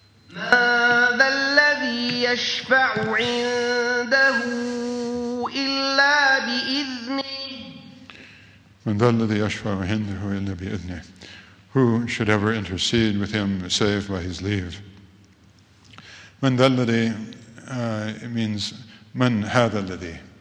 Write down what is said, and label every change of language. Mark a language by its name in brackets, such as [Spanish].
[Arabic] ماذا الذي يشفع عنده إلا بإذنه؟ من ذا الذي يشفع عنده إلا بإذنه؟ [English] Who should ever intercede with him save by his leave? [Arabic] من ذا الذي [English] it means [Arabic] من هذا الذي.